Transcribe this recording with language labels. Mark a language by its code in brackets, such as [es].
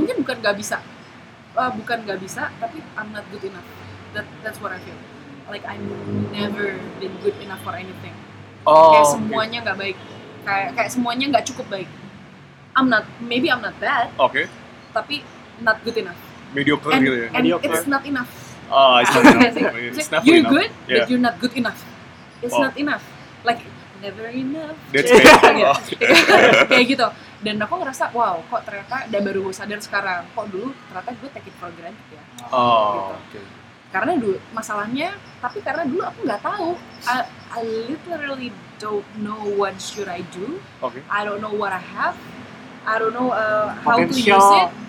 [id] Mungkin bukan nggak bisa tapi [en] I'm not good enough, that's what I feel like. I've never been good enough for anything. [id] Semuanya nggak baik, kayak semuanya nggak cukup baik. [en] I'm not bad. Okay. [id] Tapi [en] not good enough. Mediocre and, [id] gitu ya. [en] And mediocre. It's not enough. It's not enough. You're good, yeah. But you're not good enough. It's not enough. Like never enough. That's bad. <okay. [id] laughs> Kayak gitu. Dan aku ngerasa, wow, kok ternyata udah baru sadar sekarang. Kok dulu ternyata gue [en] take it for granted [id] ya. Oh, gitu. [en] Okay. [id] Karena dulu masalahnya, tapi karena dulu aku nggak tahu. [en] I literally don't know what should I do. Okay. I don't know what I have. I don't know how potential. To use it.